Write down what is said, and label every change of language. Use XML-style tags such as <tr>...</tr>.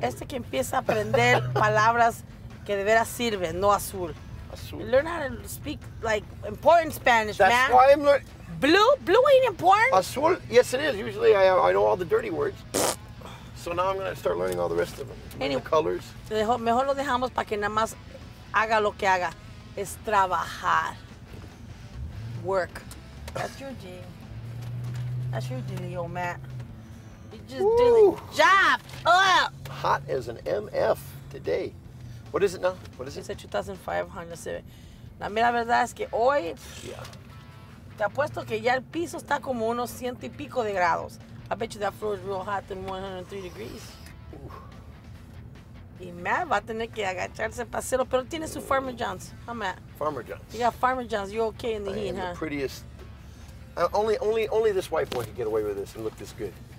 <es>Este que empieza a aprender palabras que de veras sirven, no azul. Azul.</es> <en>You learn how to speak, like, important Spanish, that's man. That's why I'm learning. Blue? Blue ain't important?</en> <es>Azul?</es> <en>Yes, it is. Usually I know all the dirty words. So now I'm going to start learning all the rest of them. Anyway, the colors.</en> <es>Mejor lo dejamos para que nada más haga lo que haga. Es trabajar.</es> <en>Work. That's your deal. That's your deal, Matt. You just do the job. Oh. Hot as an MF today. What is it now? What is it? It's a 2005 Honda Civic.</en> <es>La verdad es que hoy.</es> <en>Yeah.</en> <es>Te apuesto que ya el piso está como unos ciento y pico de grados.</es> <en>I bet you that floor is real hot than 103 degrees.</en> <es>Y Matt va a tener que agacharse para hacerlo, pero tiene su Farmer John's.</es> <en>Huh, Matt? Farmer John's. You got Farmer John's. You okay in the heat, huh? I am the prettiest. Only this white boy can get away with this and look this good.</en>